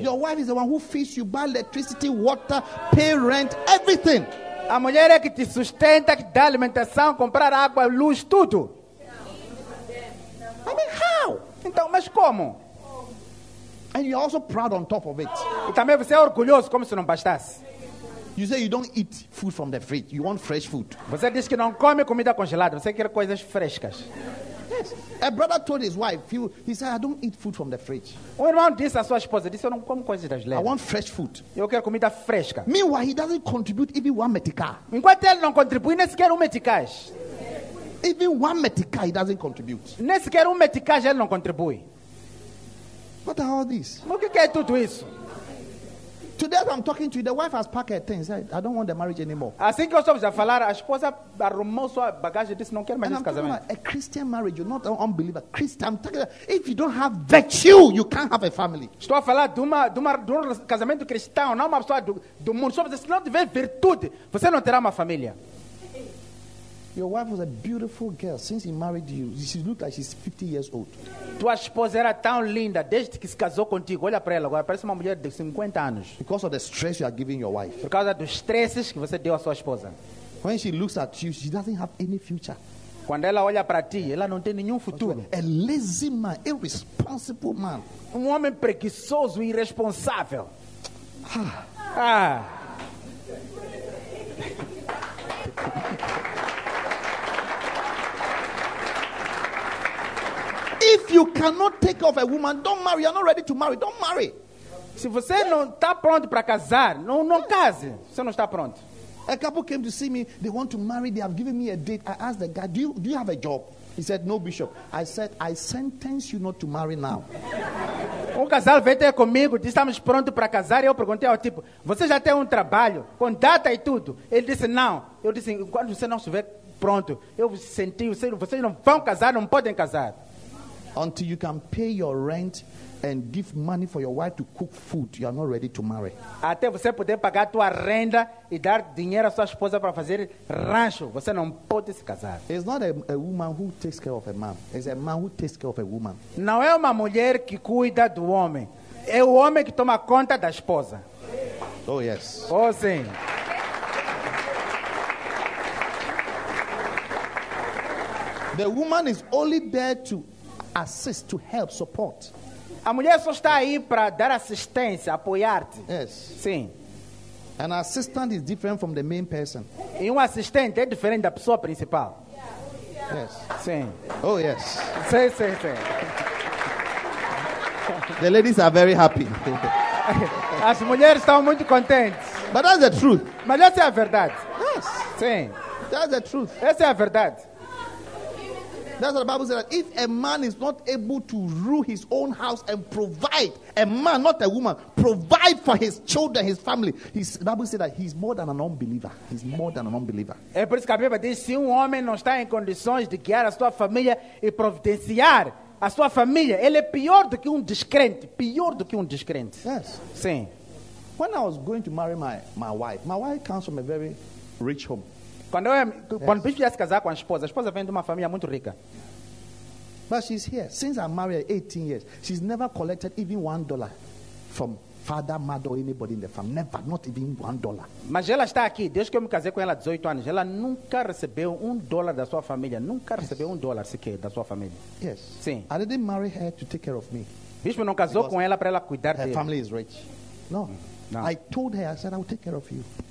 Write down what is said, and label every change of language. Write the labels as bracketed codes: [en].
[en] Your wife is the one who feeds you, buy electricity, water, pay rent, everything. [pt] A mulher é que te sustenta, que dá alimentação, comprar água, luz, tudo. [en] I mean, how? [pt] Então, mas como? [en] And you are also proud on top of it. [pt] E também você é orgulhoso como se não bastasse. [en] You say you don't eat food from the fridge. You want fresh food. [pt] Você diz que não come comida congelada. Você quer coisas frescas. [en] Yes. A brother told his wife, he said, I don't eat food from the fridge. [pt] O irmão disse à sua esposa, disse, eu não como coisas das leves. [en] I want fresh food. [pt] Eu quero comida fresca. [en] Meanwhile, he doesn't contribute even one metica. [pt] Enquanto ele não contribui, nem sequer um meticais. [en] Even one metica, he doesn't contribute. [pt] Nem sequer um meticais, ele não contribui. [en] What are all these? [pt] O que é tudo isso? [en] Today as I'm talking to you, the wife has packed her things. I don't want the marriage anymore. [pt] Assim que eu estou a falar, a esposa arrumou sua bagagem e disse, não quero mais esse casamento. [en] A Christian marriage, you're not an unbeliever. Christian, I'm talking about, if you don't have virtue, you can't have a family. [pt] Estou a falar de um casamento cristão, não uma pessoa do mundo. Se não tiver virtude, você não terá uma família. [en] Your wife was a beautiful girl since he married you. She looked like she's 50 years old. [pt] Tua esposa era tão linda desde que se casou contigo. Olha para ela agora, parece uma mulher de 50 anos. [en] Because of the stress you are giving your wife. [pt] Por causa dos estresses que você deu à sua esposa. [en] When she looks at you, she doesn't have any future. [pt] Quando ela olha para ti, ela não tem nenhum futuro. [en] A lazy man, irresponsible man. [pt] Um homem preguiçoso e irresponsável. [en] If you cannot take off a woman, don't marry. You're not ready to marry. Don't marry. [pt] Se você não está pronto para casar, não case. Você não está pronto. [en] A couple came to see me. They want to marry. They have given me a date. I asked the guy, do you have a job? He said, no, Bishop. I said, I sentence you not to marry now. [pt] Casal veio ter comigo, disse, estamos prontos para casar. E eu perguntei ao tipo, você já tem trabalho? Com data e tudo? Ele disse, não. Eu disse, quando você não estiver pronto, eu senti, vocês não vão casar, não podem casar. [en] Until you can pay your rent and give money for your wife to cook food, you are not ready to marry. [pt] Até você poder pagar tua renda e dar dinheiro à sua esposa para fazer rancho, você não pode se casar. [en] It's not a woman who takes care of a man. It's a man who takes care of a woman. [pt] Não é uma mulher que cuida do homem. É o homem que toma conta da esposa. [en] Oh, yes. [pt] Oh, sim. [en] The woman is only there to assist, to help, support. [pt] A mulher só está aí para dar assistência, apoiar-te. [en] Yes. [pt] Sim. [en] An assistant is different from the main person. [pt] E assistente é diferente da pessoa principal. [en] Yes. [pt] Sim. [en] Oh, yes. [pt] Sim, sim, sim. [en] The ladies are very happy. [pt] As mulheres estão muito contentes. [en] But that's the truth. [pt] Mas essa é a verdade. [en] Yes. [pt] Sim. [en] That's the truth. [pt] Essa é a verdade. [en] That's what the Bible says, that if a man is not able to rule his own house and provide, a man, not a woman, provide for his children, his family, the Bible says that he's more than an unbeliever. He's more than an unbeliever. [pt] É por isso que a Bíblia diz, se homem não está em condições de guiar a sua família e providenciar a sua família, ele é pior do que descrente. Pior do que descrente. [en] Yes. [pt] Sim. [en] When I was going to marry my wife comes from a very rich home. [pt] Quando o bispo ia se casar com a esposa vem de uma família muito rica. [en] But she's here. Since I'm married 18 years, she's never collected even $1 from father, mother, or anybody in the family. Never, not even $1. [pt] Mas ela está aqui, desde que eu me casei com ela há 18 anos, ela nunca recebeu $1 da sua família. Nunca recebeu $1 sequer da sua família. [en] Yes. [pt] Sim. [en] I didn't marry her to take care of me. [pt] Bispo não casou com ela para ela cuidar dele. [en] Her family is rich. No. No. I told her, I said, I will take care of you.